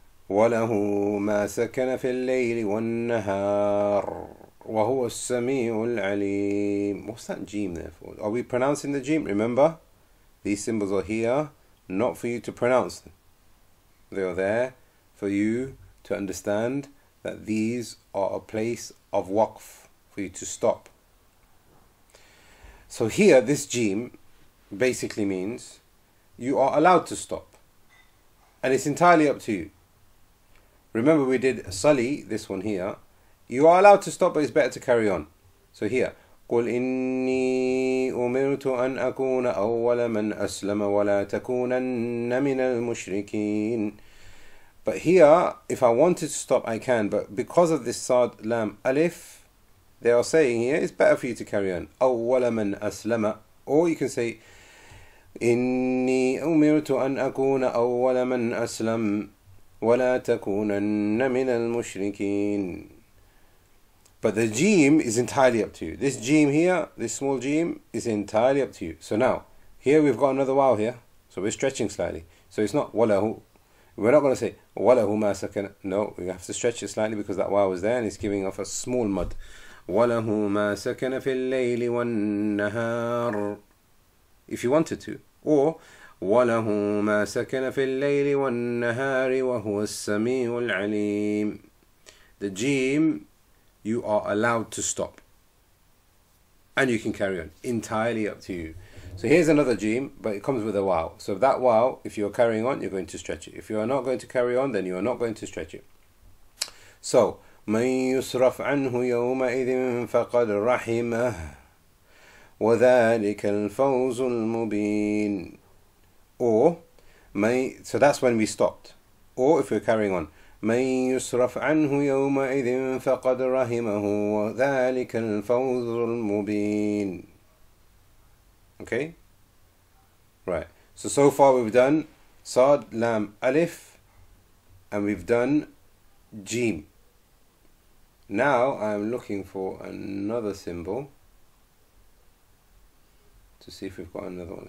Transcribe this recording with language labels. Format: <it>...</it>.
<ar>وَلَهُ مَا سَكَنَ فِي اللَّيْلِ وَالنَّهَارِ وَهُوَ السَّمِيعُ الْعَلِيمُ</ar> <en>What's that jeem there for? Are we pronouncing the jeem? Remember, these symbols are here not for you to pronounce them. They are there for you to understand that these are a place of waqf for you to stop. So here, this jeem basically means you are allowed to stop. And it's entirely up to you. Remember we did sali, this one here. You are allowed to stop, but it's better to carry on.</en> <ar>So here, قُلْ إِنِّي أُمِرْتُ أَنْ أَكُونَ أَوَّلَ مَنْ أَسْلَمَ وَلَا تَكُونَنَّ مِنَ الْمُشْرِكِينَ</ar> <en>But here, if I wanted to stop, I can. But because of this Sad, Lam, Alif, they are saying here, it's better for you to carry on.</en> <ar>أَوَّلَ مَنْ أَسْلَمَ</ar> <en>Or you can say,</en> <ar>إِنِّي أُمِرْتُ أَنْ أَكُونَ أَوَّلَ مَنْ أَسْلَمْ وَلَا تَكُونَنَّ مِنَ الْمُشْرِكِينَ</ar> <en>But the jeem is entirely up to you. This jeem here, this small jeem, is entirely up to you. So now, here we've got another wow here. So we're stretching slightly. So it's not</en> <ar>وَلَهُ</ar> <en>We're not going to say</en> <ar>وَلَهُ مَا سَكَنَ</ar> <en>No, we have to stretch it slightly because that wow is there and it's giving off a small mud.</en> <ar>وَلَهُ مَا سَكَنَ فِي اللَّيْلِ وَالنَّهَارِ</ar> <en>If you wanted to.</en> <ar>Or, وَلَهُ مَا سَكَنَ فِي اللَّيْلِ وَالنَّهَارِ وَهُوَ السَّمِيعُ الْعَلِيمُ</ar> <en>The jeem, you are allowed to stop. And you can carry on. Entirely up to you. So here's another jim, but it comes with a waw. So that waw, if you're carrying on, you're going to stretch it. If you are not going to carry on, then you are not going to stretch it.</en> <ar>So, مَنْ يُصْرَفْ عَنْهُ يَوْمَئِذٍ فَقَدْ رَحِمَهُ وَذَٰلِكَ الْفَوْزُ الْمُبِينُ.</ar> <en>Or, so that's when we stopped. Or if we're carrying on,</en> <ar>مَنْ يُصْرَفْ عَنْهُ يَوْمَئِذٍ فَقَدْ رَحِمَهُ وَذَٰلِكَ الْفَوْزُ الْمُبِينُ.</ar> <en>Okay, right. So far we've done Sad, Lam, Alif, and we've done Jim. Now I'm looking for another symbol to see if we've got another one.</en>